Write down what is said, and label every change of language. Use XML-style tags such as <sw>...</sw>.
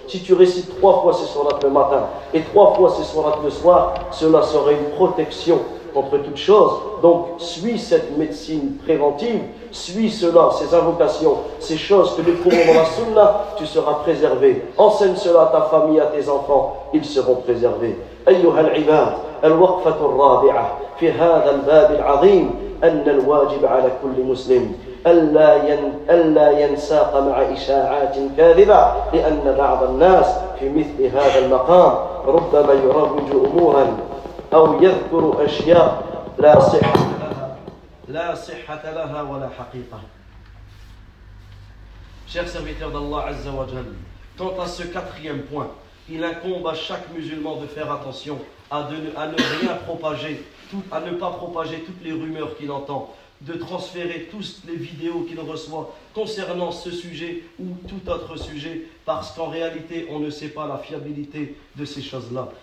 <fr>Si tu récites 3 fois ces sourates le matin et 3 fois ces sourates le soir, cela sera une protection contre toute chose. Donc suis cette médecine préventive, suis cela, ces invocations, ces choses que nous trouvons dans la sunna, tu seras préservé. Enseigne cela à ta famille, à tes enfants, ils seront préservés.</fr> <ar>أيها العباد الوقفة الرابعة في هذا الباب العظيم أن الواجب على كل مسلم ألا ينساق مع إشاعات كاذبة لأن بعض الناس في مثل هذا المقام ربما يروج أمورا أو يذكر أشياء لا صحة لها ولا حقيقة.</ar> <fr>Chers serviteurs d'Allah Azza wa Jal, quant à ce quatrième point, il incombe à chaque musulman de faire attention à ne rien propager à ne pas propager toutes les rumeurs qu'il entend, de transférer toutes les vidéos qu'il reçoit concernant ce sujet ou tout autre sujet, parce qu'en réalité, on ne sait pas la fiabilité de ces choses-là.</fr>